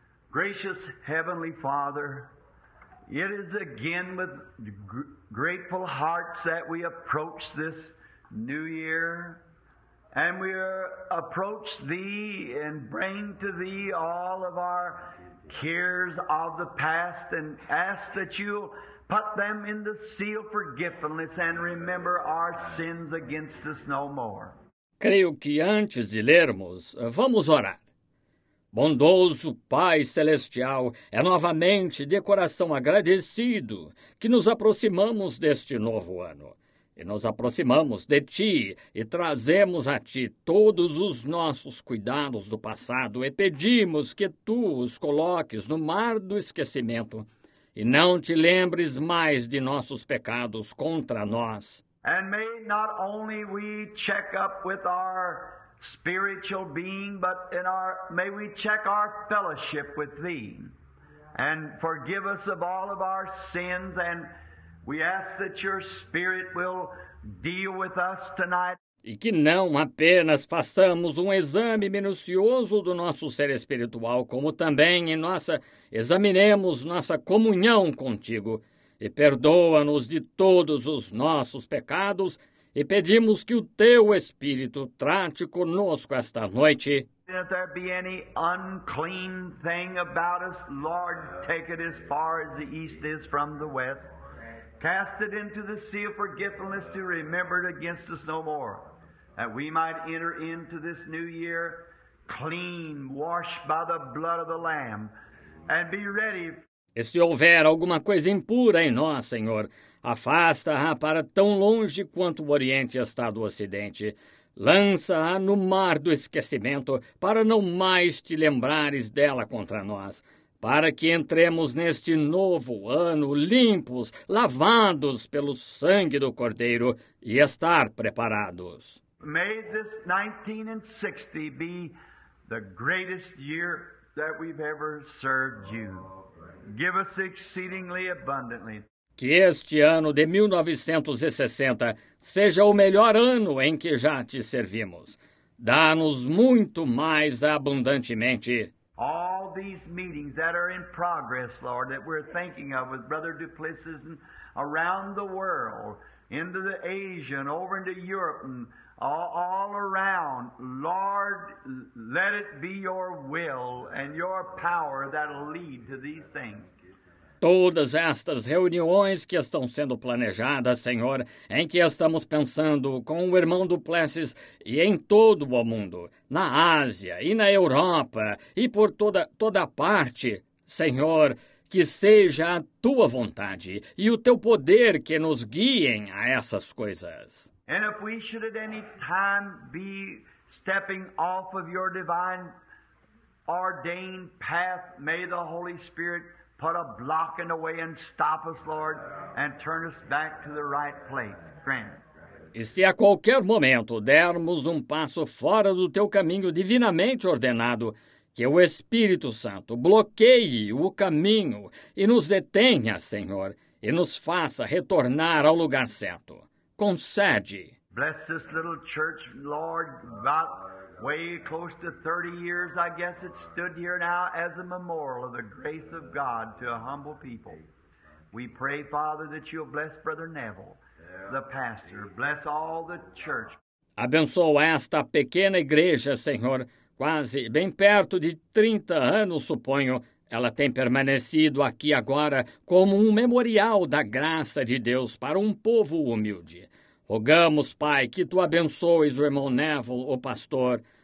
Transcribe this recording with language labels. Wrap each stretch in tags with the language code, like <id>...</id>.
<en>Gracious Heavenly Father, it is again with grateful hearts that we approach this new year, and we approach Thee and bring to Thee all of our cares of the past and ask that You Put them in the seal of forgiveness and remember our sins against us no more.</en> <pt>Creio que antes de lermos, vamos orar. Bondoso Pai Celestial, é novamente de coração agradecido que nos aproximamos deste novo ano. E nos aproximamos de Ti e trazemos a Ti todos os nossos cuidados do passado e pedimos que Tu os coloques no mar do esquecimento e não te lembres mais de nossos pecados contra nós.</pt> <en>And may not only we check up with our spiritual being, but in our may we check our fellowship with Thee, and forgive us of all of our sins. And we ask that Your Spirit will deal with us tonight.</en> <pt>E que não apenas façamos um exame minucioso do nosso ser espiritual, como também em nossa examinemos nossa comunhão contigo. E perdoa-nos de todos os nossos pecados, e pedimos que o Teu Espírito trate conosco esta noite.</pt> <en>If there be any unclean thing about us, Lord, take it as far as the east is from the west. Cast it into the sea of forgiveness to remember it against us no more, that we might enter into this new year clean, washed by the blood of the Lamb, and be ready.</en> <pt>E se houver alguma coisa impura em nós, Senhor, afasta-a para tão longe quanto o Oriente está do Ocidente. Lança-a no mar do esquecimento, para não mais te lembrares dela contra nós, para que entremos neste novo ano limpos, lavados pelo sangue do Cordeiro e estar preparados.</pt> <en>May this 1960 be the greatest year that we've ever served you. Give us exceedingly abundantly.</en> <pt>Que este ano de 1960 seja o melhor ano em que já te servimos. Dá-nos muito mais abundantemente.</pt> <en>All these meetings that are in progress, Lord, that we're thinking of with Brother Duplessis and around the world, into the Asia and over into Europe and all around, Lord, let it be Your will and Your power that'll lead to these things.</en> <pt>Todas estas reuniões que estão sendo planejadas, Senhor, em que estamos pensando com o irmão Duplessis e em todo o mundo, na Ásia e na Europa e por toda parte, Senhor, que seja a Tua vontade e o Teu poder que nos guiem a essas coisas.</pt> <en>And if we should at any time be stepping off of Your divine ordained path, may the Holy Spirit put a block in the way and stop us, Lord, and turn us back to the right place, friend.</en> <pt>E se a qualquer momento dermos passo fora do Teu caminho divinamente ordenado, que o Espírito Santo bloqueie o caminho e nos detenha, Senhor, e nos faça retornar ao lugar certo. Concede.</pt> <en>Bless this little church, Lord, about way close to 30 years, I guess it stood here now as a memorial of the grace of God to a humble people. We pray, Father, that You'll bless Brother Neville, the pastor. Bless all the church.</en> <pt>Abençoa esta pequena igreja, Senhor. Quase bem perto de 30 anos, suponho, ela tem permanecido aqui agora como um memorial da graça de Deus para povo humilde. Rogamos, Pai, que Tu abençoes o irmão Neville, o pastor.</pt>